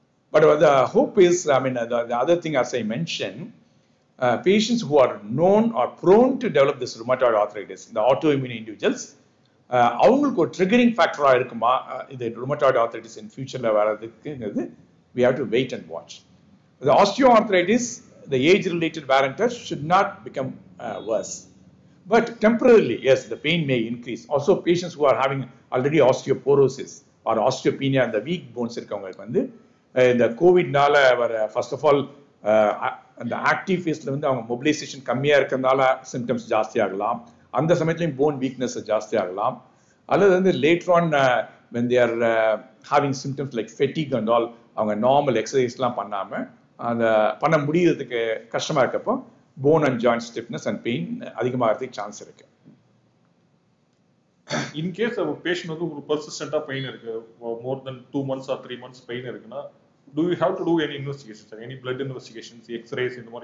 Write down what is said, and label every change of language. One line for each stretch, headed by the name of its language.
English: But the hope is, the other thing as I mentioned, patients who are known or prone to develop this rheumatoid arthritis, the autoimmune individuals,
Tamil: avungalukku triggering factor a irukuma
English: the rheumatoid arthritis in future
Tamil: la varadukku,
English: we have to wait and watch. The osteoarthritis, the age-related wear and tear should not become worse. But temporarily, yes, the pain may increase. Also, patients who are having already osteoporosis or osteopenia and the weak bones
Tamil: irukkavangalukku vandu, இந்த கோவிட்னால வர first of all அந்த active ஃபேஸ்ல அவங்க mobilisation கம்மியா இருக்கிறதுனால symptoms ஜாஸ்தி ஆகலாம், அந்த சமயத்துலயும் போன் வீக்னஸ் ஜாஸ்தி ஆகலாம், அல்லது
English: later on when they are having symptoms like fatigue
Tamil: and all, அவங்க நார்மல் எக்ஸசைஸ்லாம் பண்ணாம அந்த பண்ண முடியறதுக்கு கஷ்டமா இருக்கப்போ phone and joint stiffness and pain அதிகமாகிறதுக்கு chance இருக்கு.
English: In case of a patient with persistent pain, more than 2 months or 3 months pain, do you have to do any investigations, any blood investigations, x-rays,